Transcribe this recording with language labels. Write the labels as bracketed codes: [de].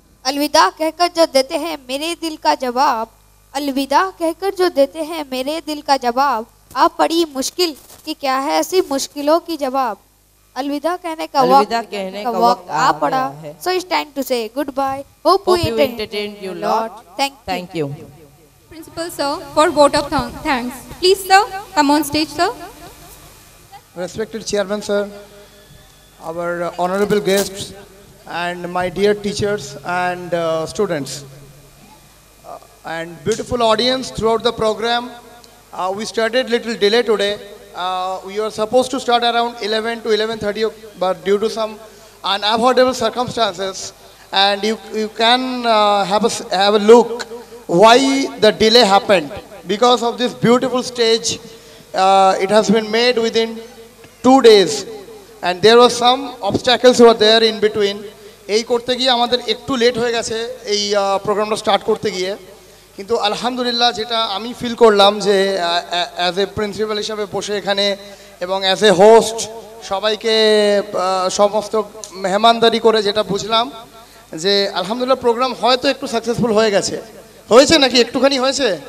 [hi] अलविदा कहकर जो देते हैं मेरे दिल का जवाब अलविदा कहकर जो देते हैं मेरे दिल का जवाब आप पड़ी मुश्किल कि क्या है ऐसी मुश्किलों की जवाब अलविदा कहने का वक्त आ पड़ा [en] so it's time to say goodbye hope you entertain you lot thank you principal sir for vote of thanks please sir come on stage sir respected chairman sir our honourable guests and my dear teachers and students and beautiful audience throughout the program we started little delay today we were supposed to start around 11 to 11:30 but due to some unavoidable circumstances and you can have a look why the delay happened because of this beautiful stage it has been made within 2 days and there were some obstacles were there in between [bn] এই করতে গিয়ে আমাদের একটু late হয়ে গেছে এই প্রোগ্রামটা start করতে গিয়ে, কিন্তু আলহামদুলিল্লাহ যেটা আমি ফিল করলাম যে অ্যাজ এ প্রিন্সিপাল হিসাবে বসে এখানে এবং অ্যাজ এ হোস্ট সবাইকে সমস্ত মেহমানদারি করে যেটা বুঝলাম যে আলহামদুলিল্লাহ প্রোগ্রাম হয়তো একটু সাকসেসফুল হয়ে গেছে, হয়েছে নাকি একটুখানি হয়েছে?